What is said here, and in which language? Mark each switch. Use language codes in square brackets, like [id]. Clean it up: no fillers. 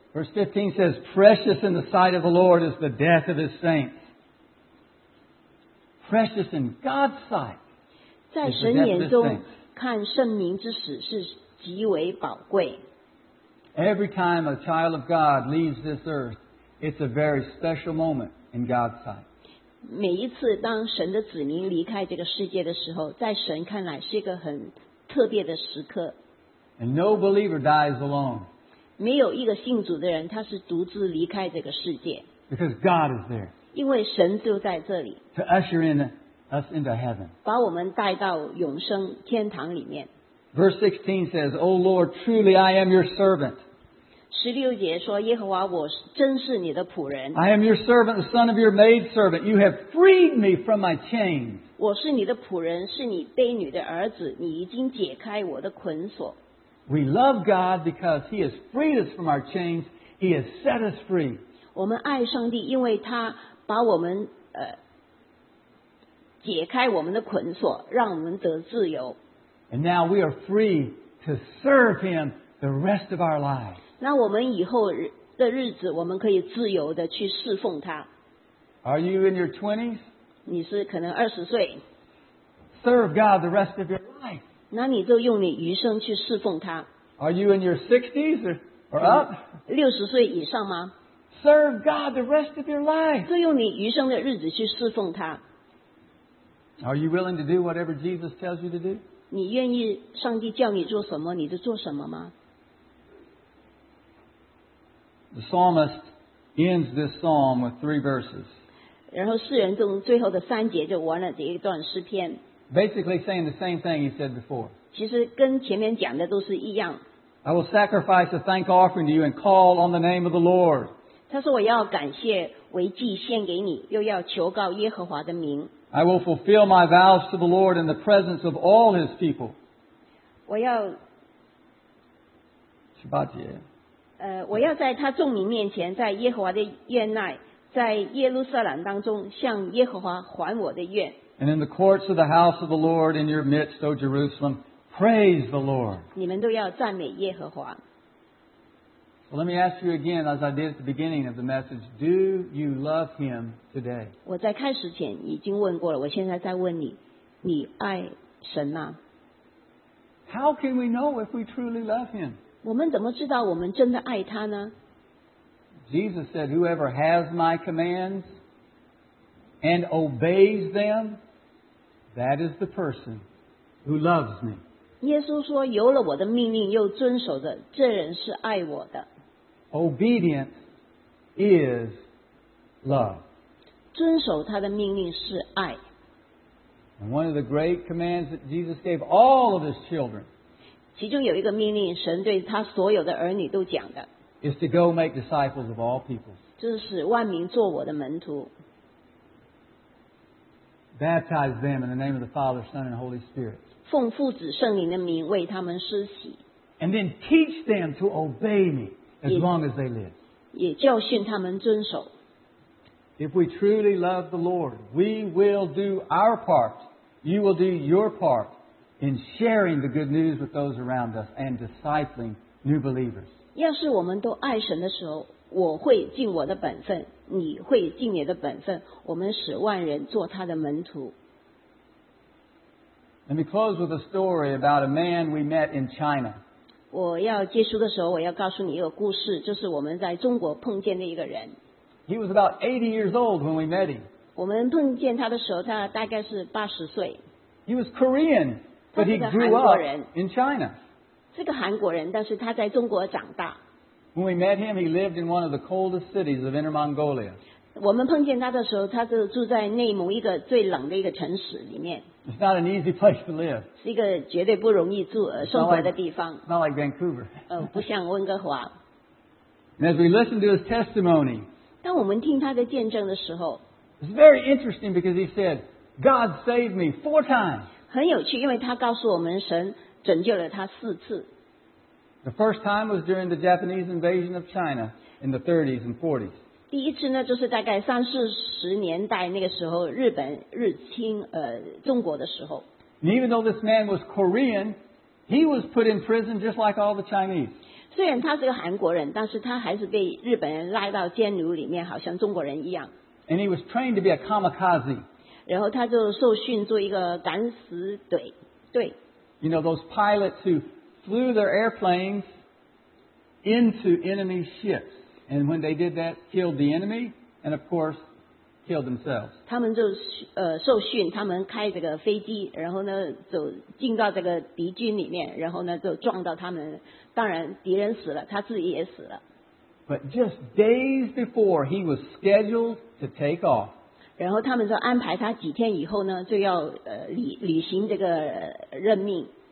[en] Verse 15 says, precious in the sight of the Lord is the death of his saints. Precious in God's sight. [zh] 在神眼中看圣灵之死是极为宝贵。 [en] Every time a child of God leaves this earth, it's a very special moment in God's sight. [zh] 每一次当神的子民离开这个世界的时候, 在神看来是一个很特别的时刻。 [en] And no believer dies alone. [zh] 没有一个信主的人，他是独自离开这个世界。 [en] Because God is there. [zh] 因为神就在这里。 [en] To usher in us into heaven. [zh] 把我们带到永生天堂里面。 [en] Verse 16 says, O Lord, truly I am your servant. [zh] 16节说，耶和华，我真是你的仆人。 [en] I am your servant, the son of your maid servant. You have freed me from my chains. [zh] 我是你的仆人，是你婢女的儿子，你已经解开我的捆锁。 [en] We love God because He has freed us from our chains. He has set us free. [zh] 我们爱上帝，因为他把我们解开我们的捆锁，让我们得自由。 [en] And now we are free to serve Him the rest of our lives. [zh] 那我们以后的日子，我们可以自由的去侍奉他。 [en] Are you in your 20s? [zh] 你是可能二十岁。 [en] Serve God the rest of your life. [zh] 那你就用你余生去侍奉他。 [en] Are you in your 60s or up? [zh] 六十岁以上吗？ [en] Serve God the rest of your life. [zh] 就用你余生的日子去侍奉他。 [en] Are you willing to do whatever Jesus tells you to do? [zh] 你愿意上帝叫你做什么，你就做什么吗？ [en] The psalmist ends this psalm with three verses. [zh] 然后诗人中最后的三节就完了这一段诗篇。 [en] Basically saying the same thing he said before. [zh] 其实跟前面讲的都是一样。 [en] I will sacrifice a thank offering to you and call on the name of the Lord. [zh] 他说我要感谢为祭献给你，又要求告耶和华的名。 [en] I will fulfill my vows to the Lord in the presence of all His people. [zh] 我要十八节。我要在他众民面前，在耶和华的院内，在耶路撒冷当中，向耶和华还我的愿。 [en] And in the courts of the house of the Lord, in your midst, O Jerusalem, praise the Lord. [zh] 你们都要赞美耶和华。 [en] Well, let me ask you again, as I did at the beginning of the message, do you love Him today? [zh] 我在开始前已经问过了，我现在在问你，你爱神吗？ [en] How can we know if we truly love Him? [zh] 我们怎么知道我们真的爱他呢？ [en] Jesus said, whoever has my commands and obeys them, that is the person who loves me. [zh] 耶稣说，有了我的命令又遵守的，这人是爱我的。 [en] Obedience is love. [zh] 遵守他的命令是爱。 [en] And one of the great commands that Jesus gave all of His children. [zh] 其中有一个命令，神对他所有的儿女都讲的。 [en] Is to go make disciples of all people. [zh] 就是使万民做我的门徒。 [en] Baptize them in the name of the Father, Son, and Holy Spirit. [zh] 奉父子圣灵的名为他们施洗。 [en] And then teach them to obey me. As long as they live. [zh] 也教训他们遵守。 [en] If we truly love the Lord, we will do our part. You will do your part in sharing the good news with those around us and discipling new believers. [zh] 要是我们都爱神的时候，我会尽我的本分，你会尽你的本分，我们使万人做他的门徒。 [en] Let me close with a story about a man we met in China. [zh] 我要结束的时候，我要告诉你一个故事，就是我们在中国碰见的一个人。 [en] He was about 80 years old when we met him. [zh] 我们碰见他的时候，他大概是八十岁。 [en] He was Korean, but he grew up in China. [zh] 是个韩国人，但是他在中国长大。 [en] When we met him, he lived in one of the coldest cities of Inner Mongolia. [zh] 我们碰见他的时候，他就住在内蒙一个最冷的一个城市里面。 [en] It's not an easy place to live. [zh] 是一个绝对不容易住生活的地方。 [en] Not like Vancouver. [zh] 不像温哥华。 [en] And as we listen to his testimony, [zh] 当我们听他的见证的时候， [en] it's very interesting because he said, God saved me 4 times. [zh] 很有趣，因为他告诉我们神拯救了他4次。 [en] The first time was during the Japanese invasion of China in the 30s and 40s. [zh] 第一次呢，就是大概三四十年代那个时候，日本入侵中国的时候。 [en] And even though this man was Korean, he was put in prison just like all the Chinese. [zh] 虽然他是个韩国人，但是他还是被日本人拉到监牢里面，好像中国人一样。 [en] And he was trained to be a kamikaze. [zh] 然后他就受训做一个敢死队。对。 [en] You know those pilots who flew their airplanes into enemy ships. And when they did that, killed the enemy, and of course, killed themselves. [zh] 他们就受训，他们开这个飞机，然后呢，走进到这个敌军里面，然后呢，就撞到他们。当然，敌人死了，他自己也死了。 [en] But just days before, he was scheduled to take off. [zh] 然后他们就安排他几天以后呢，就要履行这个任命。